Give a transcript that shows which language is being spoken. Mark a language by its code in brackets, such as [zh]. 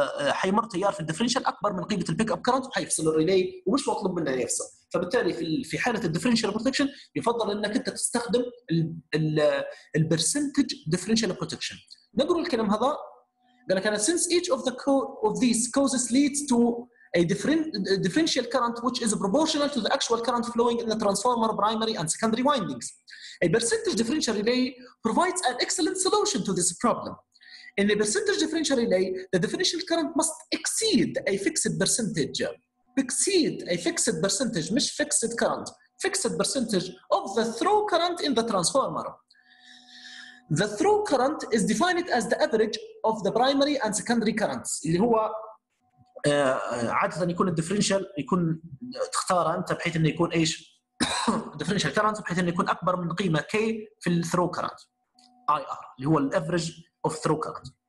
[ar] حيمر تيار في الدفرنشال اكبر من قيمه البيك اب كرنت وحيفصل الريلي ومش مطلوب منه انه يفصل فبالتالي في حاله الدفرنشال بروتكشن يفضل انك انت تستخدم البرسنتج دفرنشال بروتكشن نقول الكلام هذا قال لك انا [en] Since each of the of this causes leads to a differential current which is proportional to the actual current flowing in the transformer primary and secondary windings. A percentage differential relay provides an excellent solution to this problem. In a percentage differential relay, the differential current must exceed a fixed percentage. Exceed a fixed percentage, [ar] مش [en] fixed current. Fixed percentage of the throw current in the transformer. The throw current is defined as the average of the primary and secondary currents. [ar] اللي هو عادة يكون الديفرنشال يكون تختاره انت بحيث انه يكون ايش ديفرنشال كرنت بحيث انه يكون اكبر من قيمه كي في الثرو كرنت اي ار اللي هو الافرج اوف ثرو كرنت